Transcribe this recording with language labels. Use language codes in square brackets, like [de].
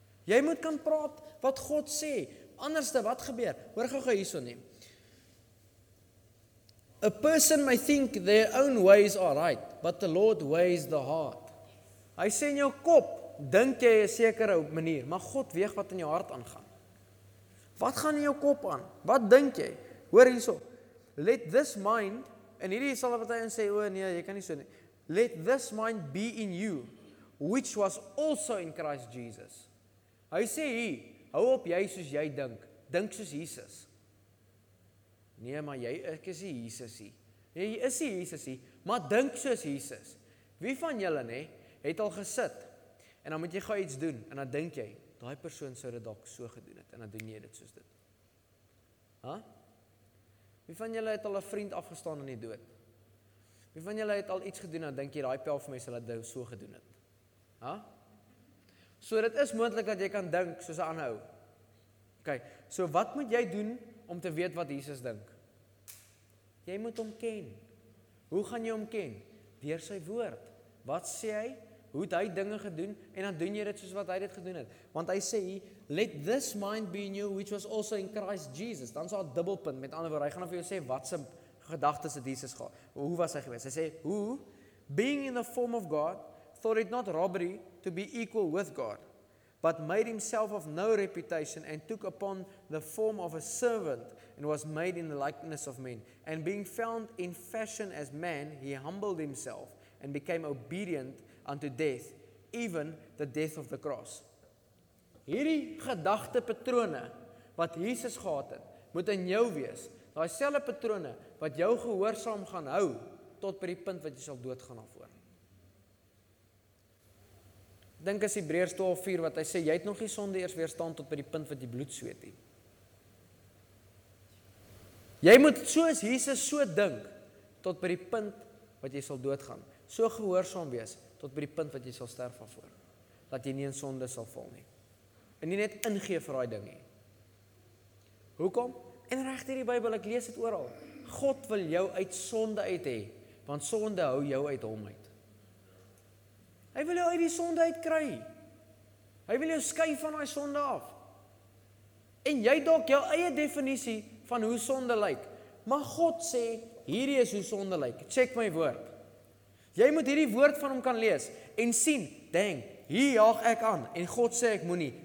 [af] Jy moet kan praat wat God sê. Anderste, wat gebeur? Hoor gou gou hierso neem. [en] A person may think their own ways are right, but the Lord weighs the heart. [af] Hy sê in jou kop, dink jy 'n sekere manier, maar God weeg wat in jou hart aangaan. Wat gaan in jou kop aan? Wat dink jy? Hoor hierso. [en] Let this mind, [af] en hierdie sal wat hy sê, o nee, jy kan nie so nie. [en] Let this mind be in you, which was also in Christ Jesus. [af] Hy sê hier, hou op jy soos jy dink, dink soos Jesus. Nee, maar jy, ek is die Jesus hier. Jy is die Jesus hier, maar dink soos Jesus. Wie van julle, nee, het al gesit, en dan moet jy gaan iets doen, en dan dink jy, die persoon sou dit ook so gedoen het, en dan doen jy dit soos dit. Ha? Wie van julle het al 'n vriend afgestaan in die dood? Wie van julle het al iets gedoen, en dink jy, die pel van my sal het so gedoen het? Ha? So, dit is moontlik dat jy kan dink, soos hy aanhou. Ok, So wat moet jy doen om te weet wat Jesus dink? Jy moet hom ken. Hoe gaan jy hom ken? Deur sy woord. Wat sê hy? Hoe het hy dinge gedoen? En dan doen jy dit soos wat hy dit gedoen het. Want hy sê, [en] let this mind be in you, which was also in Christ Jesus. [af] Dan sal het dubbelpunt, met ander woord, hy gaan vir jou sê, wat sy gedagtes het Jesus gehad? Hoe was hy geweest? Hy sê, [en] who, being in the form of God, thought it not robbery to be equal with God, but made himself of no reputation, and took upon the form of a servant, and was made in the likeness of men. And being found in fashion as man, he humbled himself, and became obedient unto death, even the death of the cross. [af] Hierdie gedagte patrone, wat Jesus gehad het, moet in jou wees, daai selfde patrone, wat jou gehoorsaam gaan hou, tot by die punt wat jy sal doodgaan daarvoor. Dink as Hebreërs 12:4, wat hy sê, jy het nog nie sonde eers weerstaan, tot by die punt wat jy bloed sweet het. Jy moet soos Jesus so dink, tot by die punt wat jy sal doodgaan. So gehoorsaam wees, tot by die punt wat jy sal sterf daarvoor. Dat jy nie in sonde sal val nie. En nie net ingee vir daai ding nie. Hoekom? En reg hier die Bybel, ek lees het oral. God wil jou uit sonde uit hê, want sonde hou jou uit hom uit. Hy wil jou uit die sonde uit kry. Hy wil jou skei van daai sonde af. En jy dalk jou eie definisie van hoe sonde lyk. Maar God sê, hierdie is hoe sonde lyk. Check my woord. Jy moet hierdie woord van hom kan lees en sien, dang, hier jaag ek aan en God sê ek moenie.